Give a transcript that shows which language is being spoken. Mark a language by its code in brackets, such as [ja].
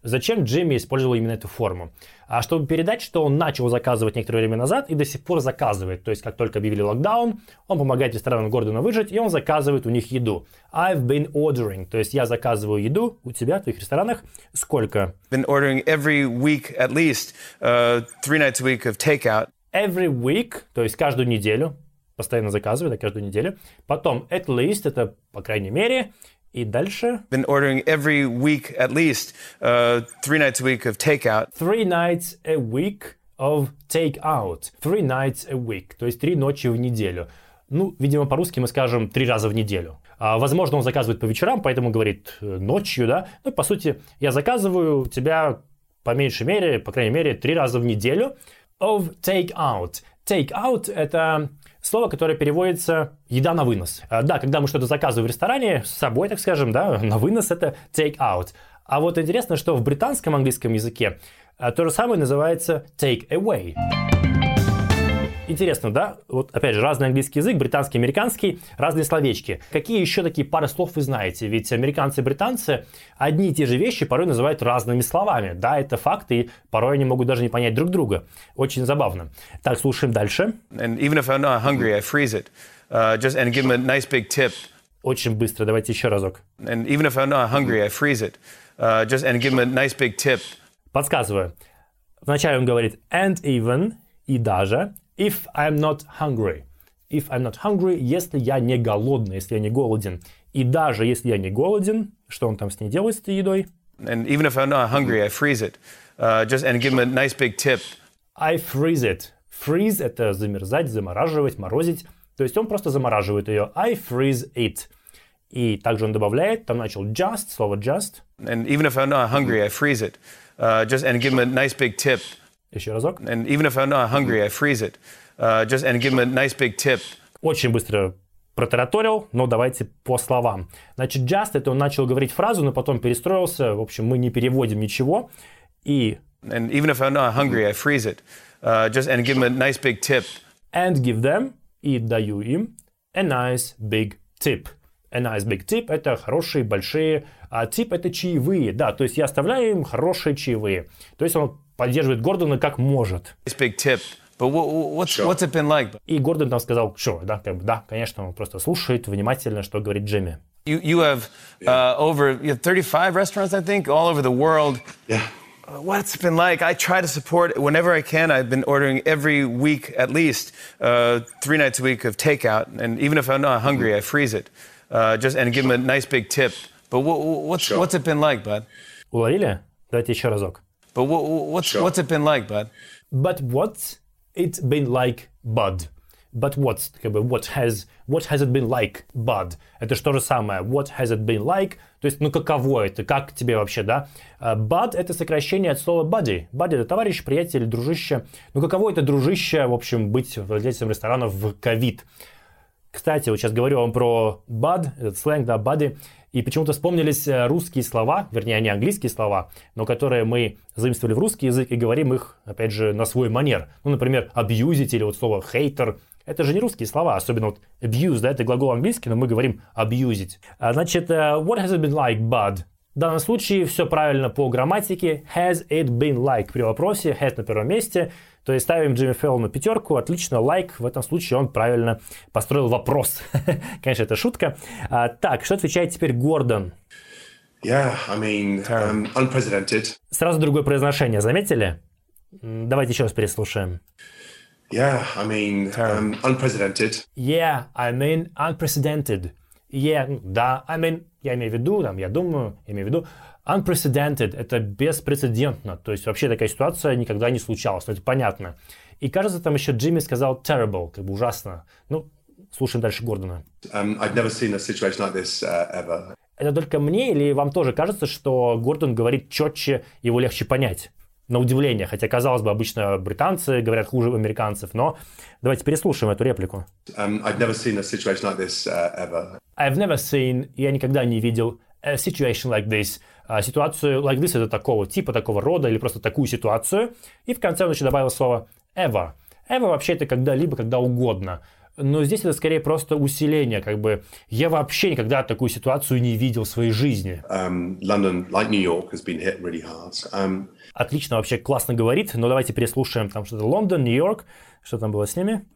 [ru] Зачем Джимми использовал именно эту форму? А чтобы передать, что он начал заказывать некоторое время назад и до сих пор заказывает. То есть, как только объявили локдаун, он помогает ресторанам Гордона выжить, и он заказывает у них еду. [en] I've been ordering. [ru] То есть, я заказываю еду у тебя, в твоих ресторанах. Сколько? [en] Been ordering every week at least three nights a week of takeout. Every week, [ru] то есть каждую неделю, постоянно заказываю, да, каждую неделю. Потом, [en] at least, [ru] это по крайней мере, и дальше. [en] Been ordering every week at least three nights a week of takeout. Three nights a week of takeout. Three nights a week, [ru] то есть три ночи в неделю. Ну, видимо, по-русски мы скажем три раза в неделю. А, возможно, он заказывает по вечерам, поэтому говорит ночью, да. Ну, по сути, я заказываю у тебя по меньшей мере, по крайней мере, три раза в неделю. [en] Of take-out. [ru] Take-out – это слово, которое переводится «еда на вынос». Да, когда мы что-то заказываем в ресторане, с собой, так скажем, да, на вынос – это take-out. А вот интересно, что в британском английском языке то же самое называется take-away. Интересно, да? Вот опять же, разный английский язык, британский, американский, разные словечки. Какие еще такие пары слов вы знаете? Ведь американцы и британцы одни и те же вещи порой называют разными словами. Да, это факт, и порой они могут даже не понять друг друга. Очень забавно. Так, слушаем дальше. [en] And even if I'm not hungry, I freeze it. Just and give them a nice big tip. [ru] Очень быстро, давайте еще разок. [en] And even if I'm not hungry, I freeze it. Just and give them a nice big tip. [ru] Подсказываю. Вначале он говорит [en] and even, [ru] и даже. [en] If I'm not hungry. If I'm not hungry, [ru] если я не голодный, если я не голоден. И даже если я не голоден, что он там с ней делает, с этой едой? [en] And even if I'm not hungry, I freeze it. Just and give him a nice big tip. I freeze it. [ru] Freeze – это замерзать, замораживать, морозить. То есть он просто замораживает ее. I freeze it. И также он добавляет, там начал just, слово just. [en] And even if I'm not hungry, I freeze it. Just and give him a nice big tip. [ru] Еще разок. [en] And even if I'm not hungry, I freeze it. Just and give him a nice big tip. [ru] Очень быстро протараторил, но давайте по словам. Значит, just это он начал говорить фразу, но потом перестроился. В общем, мы не переводим ничего. И. [en] And even if I'm not hungry, I freeze it. Just and give him a nice big tip. And give them [ru] и даю им [en] a nice big tip. A nice big tip [ru] это хорошие большие. А tip это чаевые, да. То есть я оставляю им хорошие чаевые. То есть он поддерживает Гордона как может. [en] Nice big tip. But what's it been like? [ru] И Гордон там сказал, sure, да, как бы, да, конечно, он просто слушает внимательно, что говорит Джимми. [en] You have over 35 restaurants, I think, all over the world. Yeah. What's it been like? I try to support whenever I can. I've been ordering every week at least three nights a week of takeout, and even if I'm not hungry, I freeze it. Just and give him a nice big tip. But what's it been like, bud? [ru] Уловили? Давайте еще разок. [en] But what's it been like, bud? But what's it been like, bud? But what's, [ru] как бы, [en] what has it been like, bud? [ru] Это что же самое? [en] What has it been like? [ru] То есть, ну каково это? Как тебе вообще, да? Bud это сокращение от слова buddy. Buddy это товарищ, приятель, дружище. Ну каково это, дружище, в общем, быть владельцем ресторана в ковид? Кстати, вот сейчас говорю вам про bud, этот сленг, да, buddy. И почему-то вспомнились русские слова, вернее, они английские слова, но которые мы заимствовали в русский язык и говорим их, опять же, на свой манер. Ну, например, abused или вот слово hater. Это же не русские слова, особенно вот abuse, да, это глагол английский, но мы говорим abused. Значит, [en] what has it been like, bud? [ru] В данном случае все правильно по грамматике. [en] Has it been like? [ru] При вопросе has на первом месте. То есть ставим Джимми Фэллону пятерку. Отлично, like. В этом случае он правильно построил вопрос. Конечно, это шутка. Так, что отвечает теперь Гордон? [en] Yeah, I mean, unprecedented. [ru] Сразу другое произношение, заметили? Давайте еще раз переслушаем. [en] Yeah, I mean, unprecedented. Yeah, I mean, unprecedented. Yeah, [ru] да, [en] I mean, [ru] я имею в виду, там, я думаю, имею в виду, unprecedented, это беспрецедентно, то есть вообще такая ситуация никогда не случалась, это понятно. И кажется, там еще Джимми сказал terrible, как бы ужасно. Ну, Слушаем дальше Гордона. [en] I've never seen a situation like this ever. [ru] Это только мне или вам тоже кажется, что Гордон говорит четче, его легче понять? На удивление, хотя, казалось бы, обычно британцы говорят хуже американцев, но давайте переслушаем эту реплику. [en] I've never seen a situation like this ever. I've never seen, [ru] я никогда не видел, [en] a situation like this. [ru] Ситуацию like this — это такого типа, такого рода или просто такую ситуацию. И в конце он еще добавил слово ever. Ever вообще это когда-либо, когда угодно. Но здесь это скорее просто усиление, как бы я вообще никогда такую ситуацию не видел в своей жизни. [en] London, like New York, has been hit really hard. [ru] Отлично, вообще классно говорит, но давайте переслушаем там что-то. London, New York, что там было с ними?